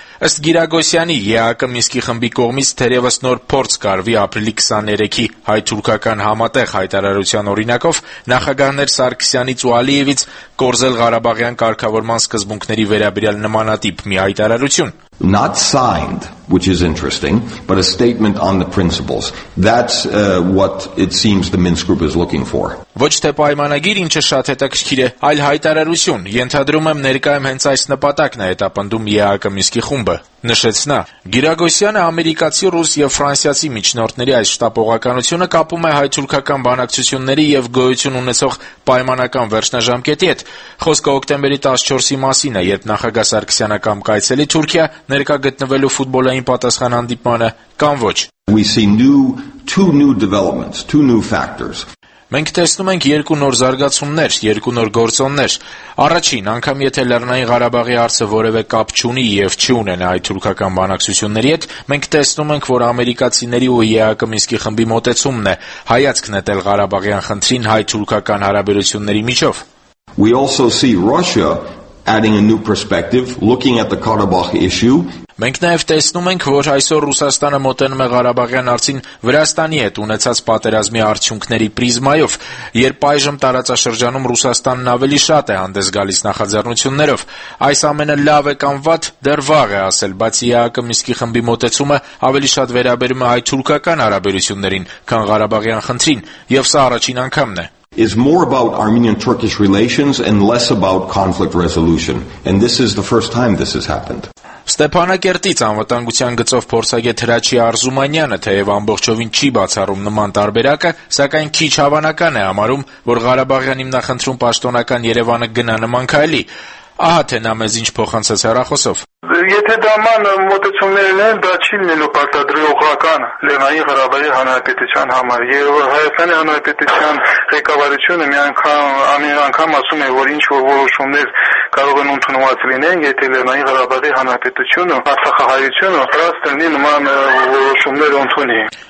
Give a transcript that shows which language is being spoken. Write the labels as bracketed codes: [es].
[hy] Ըստ Գիրագոսյանի, ԵԱԿ Միսկի խմբի կողմից թերևս նոր փորձ կարվի ապրիլի 23-ի հայ-թուրքական համատեղ հայտարարության օրինակով նախագահներ Սարգսյանից ու Ալիևից կորզել Ղարաբաղյան կարգավորման սկզբունքների վերաբերյալ նմանատիպ մի հայտարարություն։ [en] Not signed, which is interesting, but a statement on the principles. That's what it seems the Minsk group is looking for. [hy] Ոչ թե պայմանագիր, ինչը շատ հետաքրքիր է, այլ հայտարարություն։ Ենթադրում եմ, ներկայում հենց այս նպատակն է հետապնդում ԵԱԿ Միսկի խումբը, նշեց նա։ Գիրագոսյանը ամերիկացի, ռուս և ֆրանսիացի միջնորդների այս շտապողականությունը կապում է հայ-թուրքական բանակցությունների և գոյություն ունեցող պայմանական վերջնաժամկետի հետ։ Խոսքը հոկտեմբերի 14-ի մասին է, երբ նախագահ Սարգսյանը կամ կայցելի Թուրքիա, ներկա գտնվելու ֆուտբոլային պատասխանհանդիպմանը կամ ոչ։ [en] We see two new developments, two new factors. [hy] Մենք տեսնում ենք երկու նոր զարգացումներ, երկու նոր գործոններ։ Առաջին, անգամ եթե Լեռնային Ղարաբաղի հարցը որևէ կապ չունի և չի ունենա այդ թուրքական բանակցությունների հետ, մենք տեսնում ենք, որ ամերիկացիների ու ԵԱԿ Մինսկի խմբի մոտեցումն է հայացքն դնել Ղարաբաղյան խնդրին հայ-թուրքական հարաբերությունների միջով։ [en] We also see Russia adding a new perspective, looking at the Karabakh issue. [hy] Մենք նաև տեսնում ենք, որ այսօր Ռուսաստանը մոտենում է Ղարաբաղյան հարցին Վրաստանի հետ ունեցած պատերազմի արդյունքների պրիզմայով, երբ այժմ տարածաշրջանում Ռուսաստանն ավելի շատ է հանդես գալիս նախաձեռնություններով։ Այս ամենը լավ է կամ վատ, դեռ վաղ է ասել, բայց ԵԱԿ Միսկի խմբի մոտեցումը ավելի շատ վերաբերում է հայ-թուրքական հարաբերություններին, քան Ղարաբաղյան խնդրին, և սա առաջին անգամն է։ [en] Is more about Armenian-Turkish relations and less about conflict resolution, and this is the first time this has happened. [hy] Ստեփանակերտից անվտանգության գծով փորձագետ Հրաչի Արզումանյանը թեև ամբողջովին չի բացառում նման տարբերակը, սակայն քիչ հավանական է համարում, որ Ղարաբաղյան հիմնախնդրում պաշտոնական Երևանը գնա նման քայլի։ Ահա թե նա մեզ ինչ փոխանցեց հեռախոսով։ Եթե դաման մոտեցումներն են, դա չի լինելու պարտադրողական Լեռնային Ղարաբաղի Հանրապետության համար։ Եվ Հայաստանի Հանրապետության ղեկավարությունը ամեն անգամ ասում է, որ ինչ որ որոշումներ կարող են ընդունված լինեն, եթե Լեռնային Ղարաբաղի Հանրապետությունը, Արցախահայությունը, պաշտպանի նման որոշումներ ընդունի։